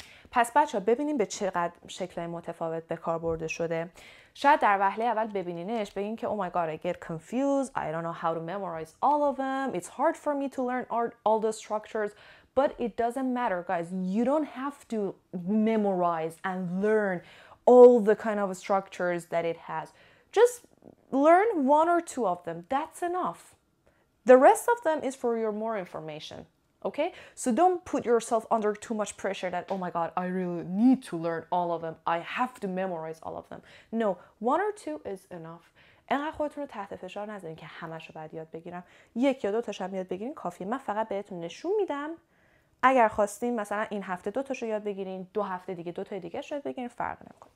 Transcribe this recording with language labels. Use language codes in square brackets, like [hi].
[fa] پس بچه ها ببینیم به چقدر شکلهای متفاوت به کار برده شده. شاید در وهله اول ببینینش بگین که [en] Oh my god, I get confused. I don't know how to memorize all of them. It's hard for me to learn all the structures. But it doesn't matter, guys. You don't have to memorize and learn all the kind of structures that it has. Just learn one or two of them. That's enough. The rest of them is for your more information. Okay, so don't put yourself under too much pressure that, oh my god, I really need to learn all of them. I have to memorize all of them. No, one or two is enough. [fa] اینقدر خودتون رو تحت فشار نذارین که همش رو باید یاد بگیرم. یک یا دو تاش هم یاد بگیرین کافیه. من فقط بهتون نشون میدم. اگر خواستین مثلا این هفته دو تاش رو یاد بگیرین، دو هفته دیگه دو تا دیگه شو یاد بگیرین، فرق نمیکنه.